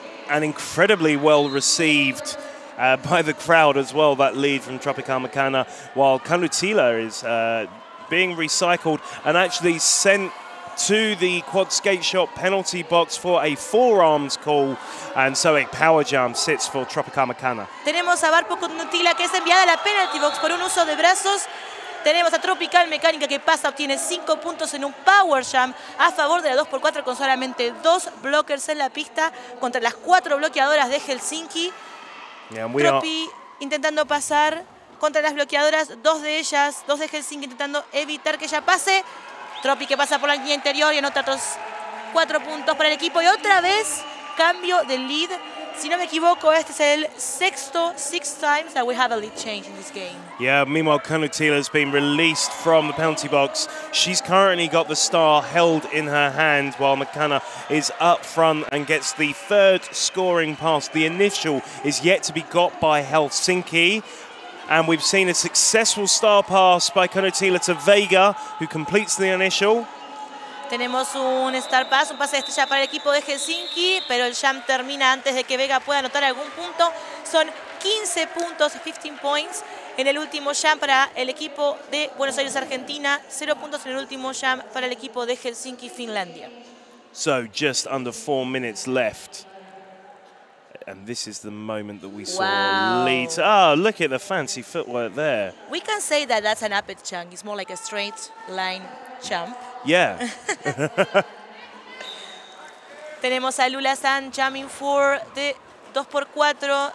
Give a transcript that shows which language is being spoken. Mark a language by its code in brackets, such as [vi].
[en] And incredibly well received by the crowd as well, that lead from Tropical Mecana, while Kanutila is being recycled and actually sent to the quad skate shop penalty box for a forearms call, and so a power jam sits for Tropical Mecana. [es] Tenemos a Barpu Kunutila que es enviada a la penalty box por un uso de brazos. Tenemos a Tropical Mecánica que pasa, obtiene 5 puntos en un power jam a favor de la 2x4 con solamente 2 blockers en la pista contra las 4 bloqueadoras de Helsinki. Tropi intentando pasar contra las bloqueadoras, 2 de ellas, 2 de Helsinki intentando evitar que ella pase. Tropi que pasa por la línea interior y anota otros 4 puntos para el equipo. Y otra vez, cambio de lead. Si no me equivoco, este es el sexto, [en] 6 times that we have a lead change in this game. Yeah, meanwhile, Kanu Tila has been released from the penalty box. She's currently got the star held in her hand while Mecana is up front and gets the third scoring pass. The initial is yet to be got by Helsinki. And we've seen a successful star pass by Kanu Tila to Vega, who completes the initial. [es] Tenemos un Star Pass, un pase de estrella para el equipo de Helsinki, pero el jam termina antes de que Vega pueda anotar algún punto. Son 15 puntos, [en] 15 points, [es] en el último jam para el equipo de Buenos Aires, Argentina. 0 puntos en el último jam para el equipo de Helsinki, Finlandia. [en] So, just under 4 minutes left. And this is the moment that we saw Lead. Oh, look at the fancy footwork there. We can say that that's an upper chunk. It's more like a straight line jump. Yeah. [es] Tenemos a [en] Lula San jumping for the 2x4.